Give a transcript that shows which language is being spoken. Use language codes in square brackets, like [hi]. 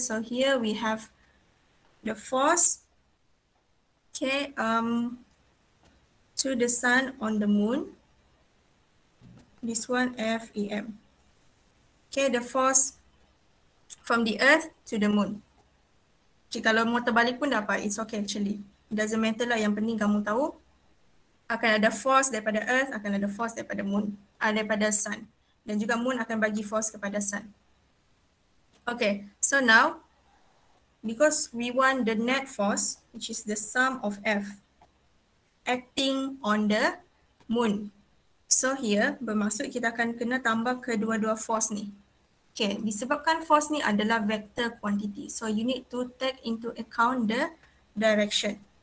[en] So here we have the force, okay, to the sun on the moon. This one FEM. Okay, the force from the earth to the moon. [ms] Okay, kalau mau terbalik pun dapat, [en] it's okay actually. Doesn't matter [ms] lah, yang penting kamu tahu akan ada force daripada earth, akan ada force daripada moon, daripada sun. Dan juga moon akan bagi force kepada sun. [en] Okay, so now, because we want the net force, which is the sum of F, acting on the moon. So here, [ms] bermaksud kita akan kena tambah kedua-dua force ni. [en] Okay, [ms] disebabkan force ni adalah vector quantity. [en] So you need to take into account the direction.